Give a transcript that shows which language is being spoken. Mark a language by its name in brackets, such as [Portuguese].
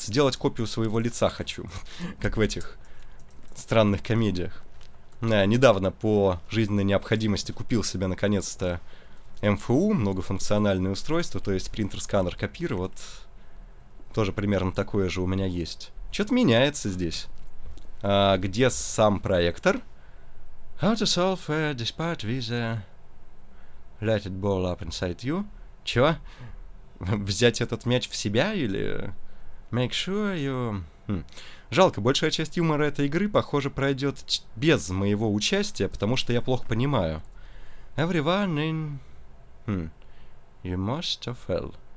[Russian] Сделать копию своего лица хочу. Как в этих странных комедиях. Да, недавно по жизненной необходимости купил себе наконец-то МФУ, многофункциональное устройство, то есть принтер-сканер копир, вот... Тоже примерно такое же у меня есть. Что-то меняется здесь. А, где сам проектор? [English] How to solve a dispute with a... Let it ball up inside you. [Russian] Чё? Взять этот мяч в себя или... [English] Make sure you... [Russian] Жалко, большая часть юмора этой игры, похоже, пройдет без моего участия, потому что я плохо понимаю. [English] Everyone in... You must have failed.